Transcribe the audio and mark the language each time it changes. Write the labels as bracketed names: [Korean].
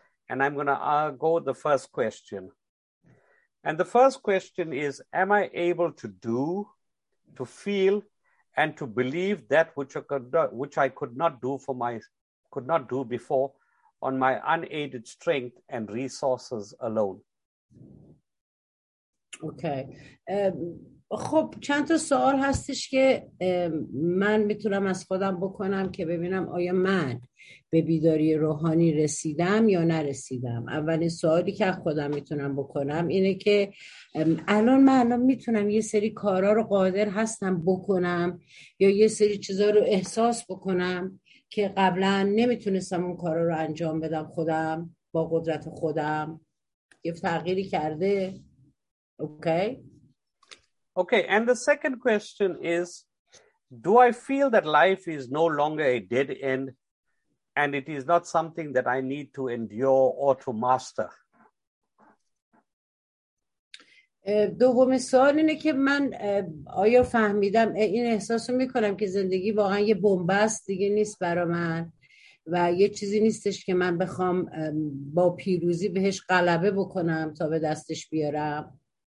[English] And I'm going to go with the first question. And the first question is, am I able to do, to feel, and to believe that which I could not do before on my unaided strength and resources alone? Okay. [Persian] خب چند تا سوال هستش که من میتونم از خودم بکنم که ببینم آیا من به بیداری روحانی رسیدم یا نرسیدم. اولین سوالی که از خودم میتونم بکنم اینه که الان میتونم یه سری کارا رو قادر هستم بکنم یا یه سری چیزا رو احساس بکنم که قبلا نمیتونستم اون کارا رو انجام بدم خودم با قدرت خودم، یه تغییری کرده. اوکی. [English] Okay, and the second question is, do I feel that life is no longer a dead end and it is not something that I need to endure or to master? [Persian] دومین سوال اینه که من آیا فهمیدم این احساسو میکنم که زندگی واقعا یه بن‌بست دیگه نیست برای من و یه چیزی نیستش که من بخوام با پیروزی بهش غلبه بکنم تا به دستش بیارم.